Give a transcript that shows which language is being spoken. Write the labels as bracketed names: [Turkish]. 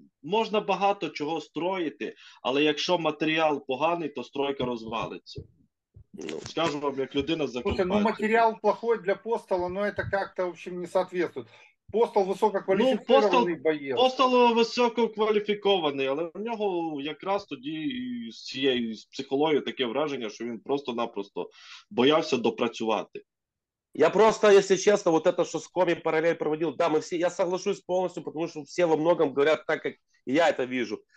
[Ukrainian] Можна багато чого строїти, але якщо матеріал поганий, то стройка розвалиться. Скажу вам, як людина закупається. [Russian] Ну, матеріал плохой для постола, ну, это как-то, в общем, не соответствует. [Ukrainian] Постол висококваліфікований, ну, боєць. Постол висококваліфікований, але в нього якраз тоді з цією психологією таке враження, що він просто-напросто боявся допрацювати. Я просто, якщо чесно, [Russian] вот это, [Ukrainian] що з Комі паралель проводив, да, ми всі, [Russian] я соглашусь [Ukrainian] повністю, тому що всі [Russian] во многом [Ukrainian] говорять так, як я це бачу.